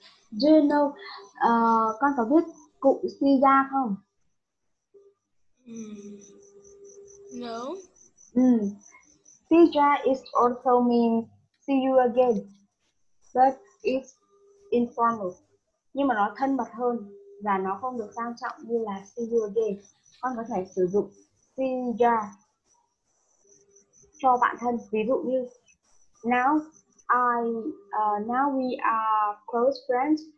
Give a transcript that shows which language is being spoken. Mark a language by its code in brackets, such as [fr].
[en] Do you know, [vi] con có biết cụ si ra không? [en] No. Si ra is also mean see you again. But it's informal. [vi] Nhưng mà nó thân mật hơn và nó không được sang trọng như là [en] see you again. [vi] Con có thể sử dụng si ra cho bạn thân. Ví dụ như [en] now we are close friends.